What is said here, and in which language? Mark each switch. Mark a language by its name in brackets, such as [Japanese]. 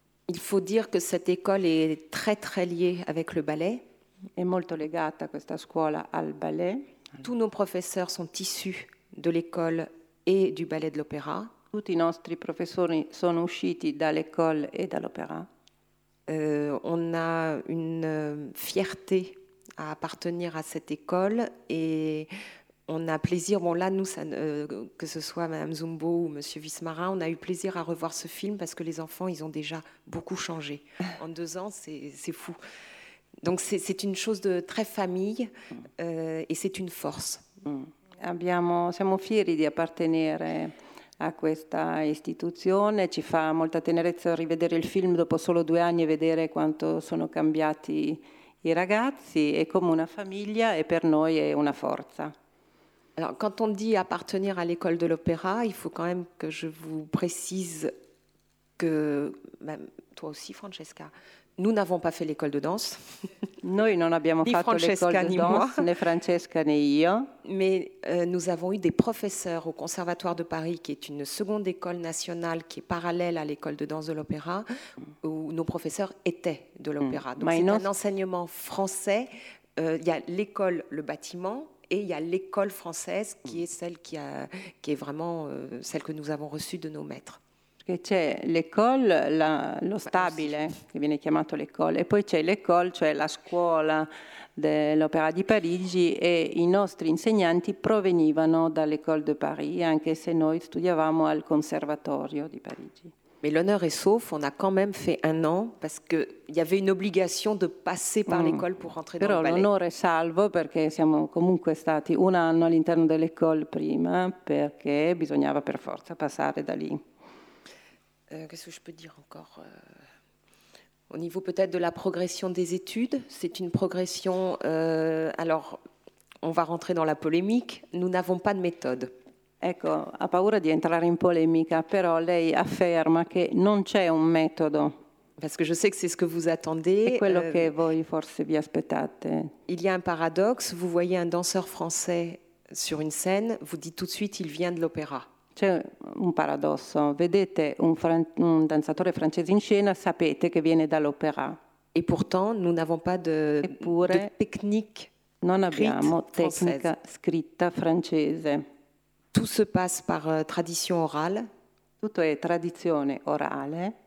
[French] Il faut dire que cette école est très très liée avec le ballet. [Italian] È molto legata questa scuola al ballet. [French] Tous nos professeurs sont issus de l'école et du ballet de l'opéra. [Italian] Tutti i nostri professori sono usciti dall'école et dall'opéra. [French] On a une fierté à appartenir à cette école et on a plaisir, bon là nous, ça, que ce soit Madame Zumbo ou Monsieur Vismarin, on a eu plaisir à revoir ce film parce que les enfants, ils ont déjà beaucoup changé. En 2 ans, c'est fou. Donc c'est une chose de très famille et c'est une force. Mm. [Italian] Abbiamo, siamo fieri di appartenere a questa istituzione, ci fa molta tenerezza rivedere il film dopo solo 2 anni e vedere quanto sono cambiati i ragazzi, è come una famiglia e per noi è una forza. [French] Alors, quand on dit appartenir à l'école de l'opéra, il faut quand même que je vous précise que, même toi aussi Francesca, nous n'avons pas fait l'école de danse. [Italian] Noi non abbiamo [French] ni [Italian] fatto Francesca, [French] l'école de danse, moi. [Italian] Né Francesca né io. [French] Mais nous avons eu des professeurs au Conservatoire de Paris, qui est une seconde école nationale qui est parallèle à l'école de danse de l'opéra, où nos professeurs étaient de l'opéra. Mm. Donc mais c'est non... un enseignement français. Il y a l'école, le bâtiment, et il y a l'école française qui est celle qui est vraiment celle que nous avons reçue de nos maîtres. [Italian] Che c'è l'école, lo stabile che viene chiamato l'école, e poi c'è l'école, cioè la scuola dell'Opéra di Parigi, e i nostri insegnanti provenivano dall'École de Paris, anche se noi studiavamo al Conservatorio di Parigi. [French] Mais l'honneur est sauf, on a quand même fait 1 an parce que il y avait une obligation de passer par l'école pour rentrer dans le ballet. [Italian] Però [French] l'honneur est [Italian] salvo perché siamo comunque stati 1 anno all'interno dell'école prima, perché bisognava per forza passare da lì. [French] Qu'est-ce que je peux dire encore? Au niveau peut-être de la progression des études, c'est une progression... Alors, on va rentrer dans la polémique. Nous n'avons pas de méthode. [Italian] Ecco, ha paura di entrare in polemica, però lei afferma che non c'è un metodo. [French] Parce que je sais que c'est ce que vous attendez. [Italian] È quello che voi forse vi aspettate. [French] Il y a un paradoxe. Vous voyez un danseur français sur une scène, vous dites tout de suite, il vient de l'opéra. [Italian] C'è un paradosso. Vedete un danzatore francese in scena, sapete che viene dall'opera. [French] E pourtant, nous n'avons pas de technique. [Italian] Non abbiamo tecnica scritta francese. [French] Tout se passe par tradition orale. [Italian] Tutto è tradizione orale.